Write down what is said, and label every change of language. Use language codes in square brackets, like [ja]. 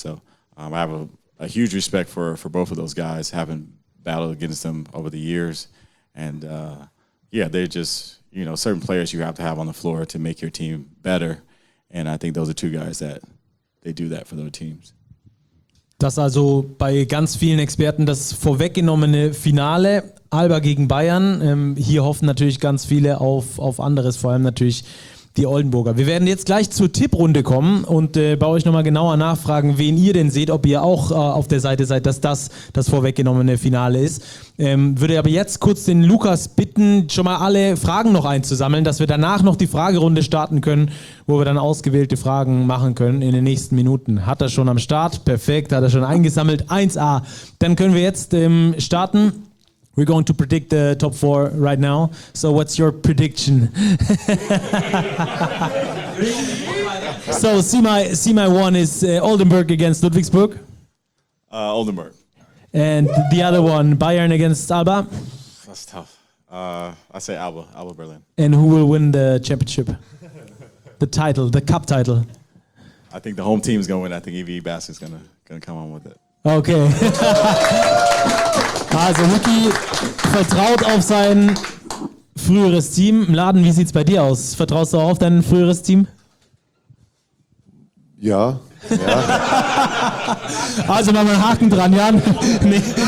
[en] So I have a huge respect for both of those guys, having battled against them over the years, and they're just, you know, certain players you have to have on the floor to make your team better, and I think those are two guys that they do that for their teams. [de] Das also bei ganz vielen Experten das vorweggenommene Finale, Alba gegen Bayern. Hier hoffen natürlich ganz viele auf anderes, vor allem natürlich die Oldenburger. Wir werden jetzt gleich zur Tipprunde kommen und bei euch nochmal genauer nachfragen, wen ihr denn seht, ob ihr auch auf der Seite seid, dass das vorweggenommene Finale ist. Würde aber jetzt kurz den Lukas bitten, schon mal alle Fragen noch einzusammeln, dass wir danach noch die Fragerunde starten können, wo wir dann ausgewählte Fragen machen können in den nächsten Minuten. Hat er schon am Start? Perfekt, hat er schon eingesammelt. 1A. Dann können wir jetzt starten. [en] We're going to predict the top four right now. So what's your prediction? So Semi 1 is Oldenburg against Ludwigsburg. Oldenburg. And the other one, Bayern against Alba. That's tough. I say Alba Berlin. And who will win the championship? The title, the cup title. I think the home team is going to win. I think EVE Basket is going to come on with it. Okay. [de] Also Ricky vertraut auf sein früheres Team. Mladen, wie sieht's bei dir aus? Vertraust du auch auf dein früheres Team? Ja. Also machen wir einen Haken dran, Jan. Nee.